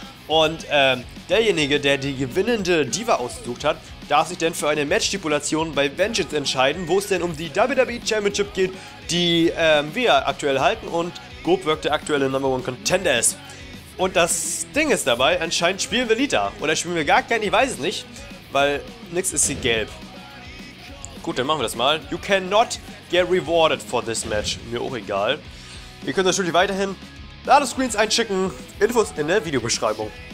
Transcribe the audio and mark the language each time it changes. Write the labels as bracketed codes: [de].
[de] Und derjenige, der die gewinnende Diva ausgesucht hat, darf sich denn für eine Match-Stipulation bei Vengeance entscheiden, wo es denn um die WWE Championship geht, die wir aktuell halten und Goldberg der aktuelle Number One Contender ist. Und das Ding ist dabei, anscheinend spielen wir Lita. Oder spielen wir gar keinen, ich weiß es nicht, weil nix ist sie gelb. Gut, dann machen wir das mal. [en] You cannot get rewarded for this match. [de] Mir auch egal. Ihr könnt natürlich weiterhin Ladescreens einschicken. Infos in der Videobeschreibung.